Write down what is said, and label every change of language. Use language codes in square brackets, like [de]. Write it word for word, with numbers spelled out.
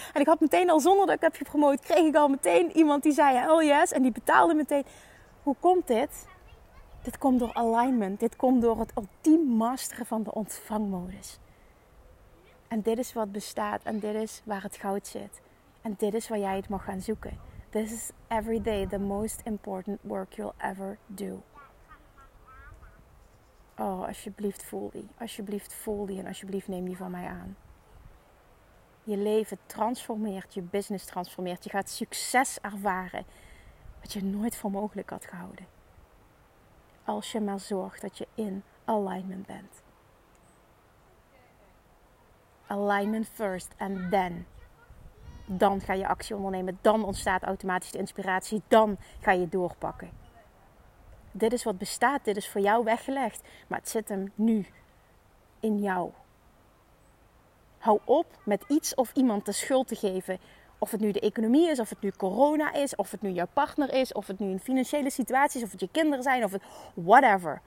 [nl] En ik had meteen al, zonder dat ik heb gepromoot, kreeg ik al meteen iemand die zei [en] oh yes [nl] en die betaalde meteen. Hoe komt dit? Dit komt door alignment. Dit komt door het ultiem masteren van de ontvangmodus. En dit is wat bestaat. En dit is waar het goud zit. En dit is waar jij het mag gaan zoeken. [en] This is every day the most important work you'll ever do. [nl] Oh, alsjeblieft voel die. Alsjeblieft voel die en alsjeblieft neem die van mij aan. Je leven transformeert. Je business transformeert. Je gaat succes ervaren. Wat je nooit voor mogelijk had gehouden. Als je maar zorgt dat je in alignment bent. [en] Alignment first and then. [nl] Dan ga je actie ondernemen. Dan ontstaat automatisch de inspiratie. Dan ga je doorpakken. Dit is wat bestaat. Dit is voor jou weggelegd. Maar het zit hem nu in jou. Hou op met iets of iemand de schuld te geven. Of het nu de economie is, of het nu corona is, of het nu jouw partner is, of het nu een financiële situatie is, of het je kinderen zijn, of het whatever.